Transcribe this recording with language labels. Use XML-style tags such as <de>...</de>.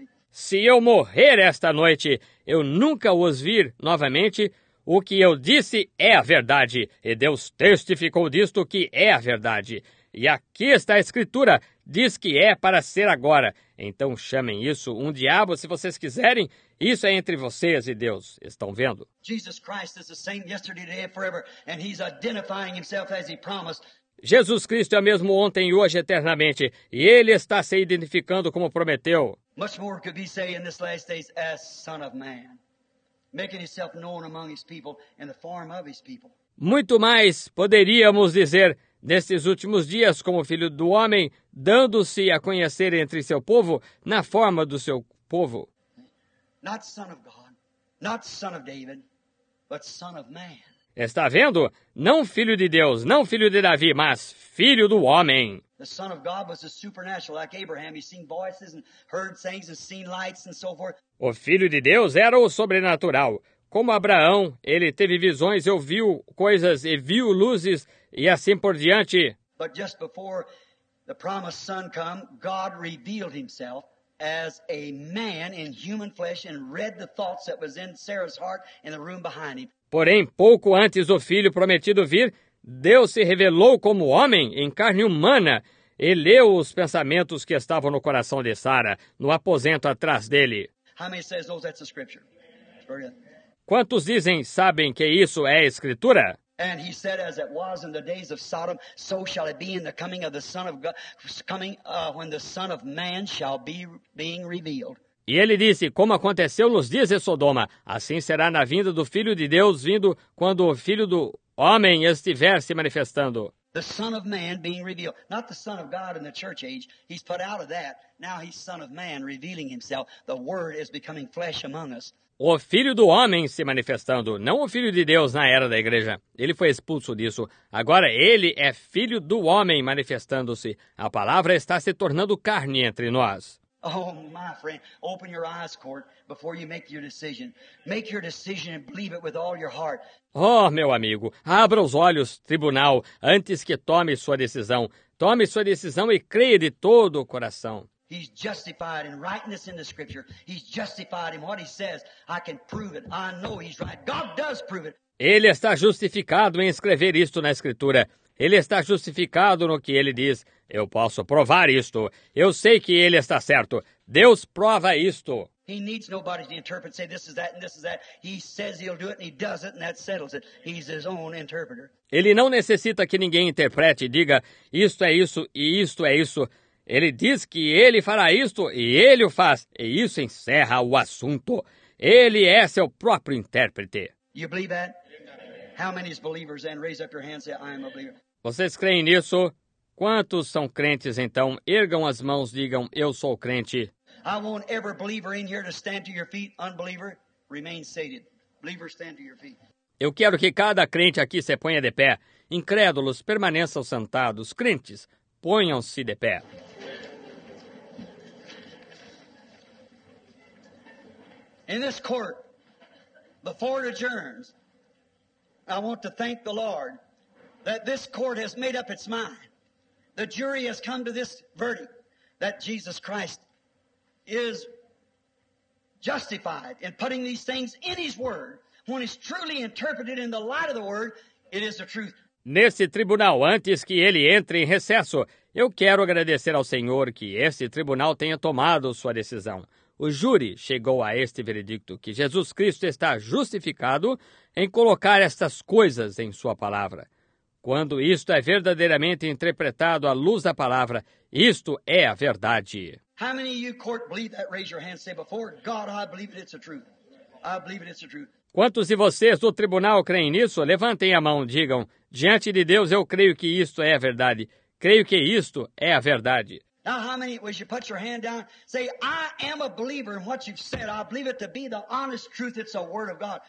<pt>Se eu morrer esta noite, eu nunca os vir novamente, o que eu disse é a verdade, e Deus testificou disto que é a verdade. E aqui está a escritura, diz que é para ser agora. Então chamem isso um diabo, se vocês quiserem, isso é entre vocês e Deus. Estão vendo?</pt> <en>Jesus Christ is the same yesterday, today, forever, and he's identifying himself as he promised.</en> <pt>Jesus Cristo é o mesmo ontem e hoje eternamente, e ele está se identificando como prometeu.</pt> <en>Much more could be said in this last days as Son of Man, making himself known among his people in the form of his people.</en> <pt>Muito mais poderíamos dizer nestes últimos dias como filho do homem, dando-se a conhecer entre seu povo na forma do seu povo.</pt> <en>Not son of God, not son of David, but son of man.</en> <pt>Está vendo? Não filho de Deus, não filho de Davi, mas filho do homem.</pt> <en>The son of God was a supernatural, like Abraham. He's seen voices and heard things and seen lights and so forth.</en> <pt>O filho de Deus era o sobrenatural. Como Abraão, ele teve visões, ouviu coisas e viu luzes e assim por diante.</pt> <en>But just before the promised son come, God revealed himself as a man in human flesh and read the thoughts that was in Sarah's heart in the room behind him.</en> <pt>Porém, pouco antes do filho prometido vir, Deus se revelou como homem em carne humana e leu os pensamentos que estavam no coração de Sara, no aposento atrás dele.</pt> <en>How many says, oh, that's the scripture?</en> <pt>Quantos dizem, sabem que isso é a Escritura?</pt> <en>And he said, as it was in the days of Sodom, so shall it be in the coming of the Son of God, coming when the Son of Man shall be being revealed.</en> <pt>E ele disse, como aconteceu nos dias de Sodoma, assim será na vinda do Filho de Deus, vindo quando o Filho do Homem estiver se manifestando.</pt> <en>The Son of Man being revealed. Not the Son of God in the church age. He's put out of that. Now he's Son of Man revealing himself. The Word is becoming flesh among us.</en> <pt>O Filho do Homem se manifestando, não o Filho de Deus na era da igreja. Ele foi expulso disso. Agora ele é Filho do Homem manifestando-se. A palavra está se tornando carne entre nós.</pt> <en>Oh, my friend, open your eyes, Court, before you make your decision. Make your decision and believe it with all your heart.</en> <pt>Oh, meu amigo, abra os olhos, tribunal, antes que tome sua decisão. Tome sua decisão e creia de todo o coração.</pt> <en>He's justified in rightness in the scripture. He's justified in what he says. I can prove it. I know he's right. God does prove it.</en> <pt>Ele está justificado em escrever isto na escritura. Ele está justificado no que ele diz. Eu posso provar isto. Eu sei que ele está certo. Deus prova isto.</pt> <en>He needs nobody to interpret, say this is that and this is that. He says he'll do it and he does it and that settles it. He's his own interpreter.</en> <pt>Ele não necessita que ninguém interprete e diga isto é isso e isto é isso. Ele diz que ele fará isto e ele o faz. E isso encerra o assunto. Ele é seu próprio intérprete.</pt> <en>You believe that? How many believers then raise up your hand and say, I am a believer?</en> <pt>Vocês creem nisso? Quantos são crentes então? Ergam as mãos, digam, eu sou crente.</pt> <en>I want every believer in here to stand to your feet. Unbeliever, remain seated. Believer, stand to your feet.</en> <pt>Eu quero que cada crente aqui se ponha de pé. Incrédulos, permaneçam sentados. Crentes, ponham-se de pé.</pt> <en>In this court, before it adjourns, I want to thank the Lord that this court has made up its mind. The jury has come to this verdict that Jesus Christ is justified in putting these things in his word. When it's truly interpreted in the light of the word, it is the truth.</en> <pt>Nesse tribunal, antes que ele entre em recesso, eu quero agradecer ao Senhor que esse tribunal tenha tomado sua decisão. O júri chegou a este veredicto que Jesus Cristo está justificado em colocar estas coisas em sua palavra. Quando isto é verdadeiramente interpretado à luz da palavra, isto é a verdade.</pt> <en>How many of you court believe that? Raise your hand, say before God, I believe it, it's the truth. I believe it, it's the truth.</en> <pt>Quantos de vocês do tribunal creem nisso? Levantem a mão, digam, diante de Deus eu creio que isto é a verdade. Creio que isto é a verdade.</pt> <en>Now how many, would you put your hand down, say, I am a believer in what you've said. I believe it to be the honest truth, it's the word of God.</en>